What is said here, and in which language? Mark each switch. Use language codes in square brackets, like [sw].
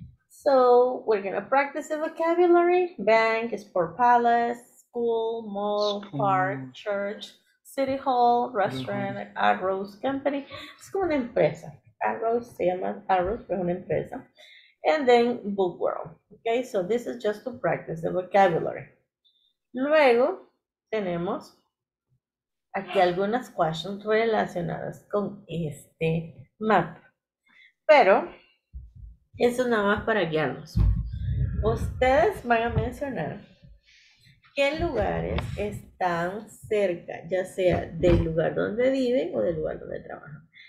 [en] So, we're going to practice the vocabulary. Bank, sport palace, school, mall, park, church, city hall, restaurant, Arrows Company. [es] Es como una empresa. Arrows se llama Arrows, pero es una empresa. [en] And then book world. Okay, so this is just to practice the vocabulary. [es] Luego tenemos aquí algunas questions relacionadas con este mapa. Pero eso nada más para guiarnos. Ustedes van a mencionar qué lugares están cerca, ya sea del lugar donde viven o del lugar donde trabajan.